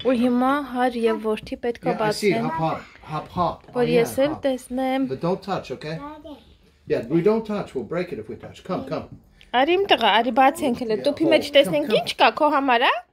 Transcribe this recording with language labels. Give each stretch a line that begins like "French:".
Armenian: Ու հիմա հար և որդի պետք է բացեն.
English: Yeah, I see, hop.
Armenian: Որ ես էլ տեսնեմ.
English: But don't touch, okay? Yeah, we don't touch, we'll break it if we touch. Come.
Armenian: Արի իմ տղա, արի բացենք էլ, դուպի մեջ տեսնենք ինչ կա, քո համար, ա?